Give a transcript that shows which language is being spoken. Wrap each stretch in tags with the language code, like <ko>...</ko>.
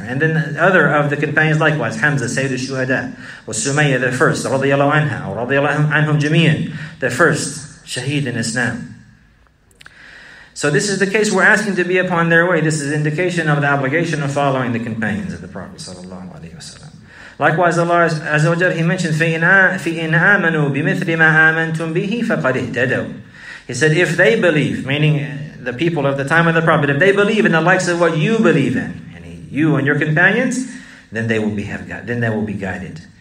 <en>And then the other of the companions likewise, Hamza, Sayyid al-Shuhada, was Sumayya the first, radiallahu anha, or radiallahu anhum jameen, the first shaheed in Islam. So this is the case, we're asking to be upon their way. This is indication of the obligation of following the companions of the Prophet ﷺ. Likewise, Allah Azza wa Jalla, He mentioned,</en> <ar>فَإِنْ آمَنُوا بِمِثْلِ مَا آمَنْتُمْ بِهِ فَقَدْ اِهْتَدَوْا.</ar> <en>He said, if they believe, meaning the people of the time of the Prophet, if they believe in the likes of what you believe in, and you and your companions, then they will be guided.</en>